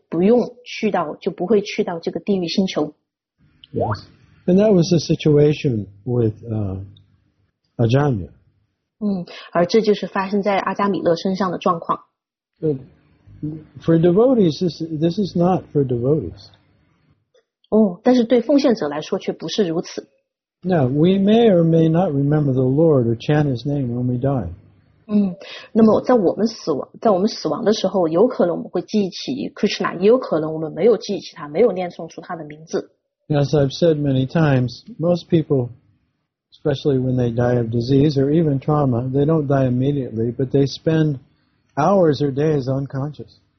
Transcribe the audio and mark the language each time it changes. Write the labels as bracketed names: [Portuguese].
[Chinese] 就是如果一个人在死亡之际不知无论以哪种方式哈，就出于什么样的原因来念出了神的名字，就即便他并不是带着这个目的要去念神的名字，然后或者是他从来都没有进行过灵性修习的话，那么他只要念出神的名字的话，他就不会去到这个地狱星球。 [English] Yes, and that was the situation with Ajamya. [Chinese] 而这就是发生在阿加米勒身上的状况。 [English] For devotees, this is not for devotees. [Chinese] 但是对奉献者来说却不是如此。 [English] Now, we may or may not remember the Lord or chant his name when we die. [Chinese] 那么在我们死亡的时候, 有可能我们会记忆起 Krishna, 也有可能我们没有记忆起他, 没有念诵出他的名字。 [English] As I've said many times, most people, especially when they die of disease or even trauma, they don't die immediately, but they spend hours or days unconscious.